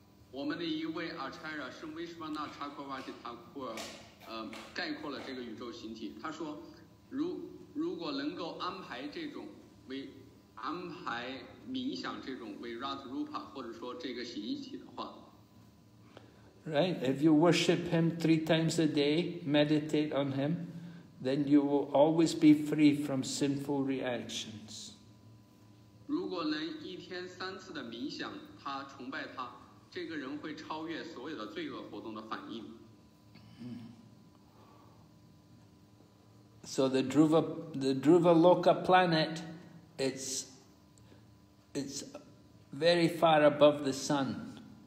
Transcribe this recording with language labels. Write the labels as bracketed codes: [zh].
[zh] 我们的一位阿差拉圣维什瓦纳查科瓦提塔库尔，概括了这个宇宙形体。他说，如果能够安排冥想这种维拉图鲁帕，或者说这个形体的话 [en] ，Right? If you worship him three times a day, meditate on him, then you will always be free from sinful reactions. [zh] 如果能一天三次的冥想他，崇拜他。这个人会超越所有的罪恶活动的反应。 [en] So the Dhruva Loka planet, it's very far above the sun.